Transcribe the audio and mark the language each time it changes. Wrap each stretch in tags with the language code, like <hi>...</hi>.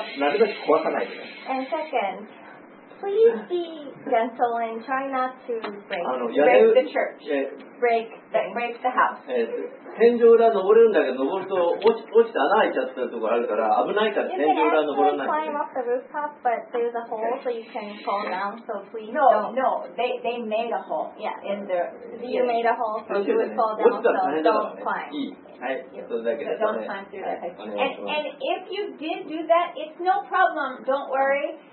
<en>And second, please be gentle and try not to break the church, break the house.</en> <ja>天井裏登るんだけど登ると落ちて穴開いちゃったところあるから危ないから天井裏登らない。</ja> <en>You can climb up the rooftop, but there's a hole so you can fall down. So please don't. No, they made a hole. Yeah, in the you made a hole so you would fall down.</en> <ja>落ちたら大変だからね。はい。それだけです。</ja> <en>Don't climb through that. And if you did do that, it's no problem. Don't worry.</en>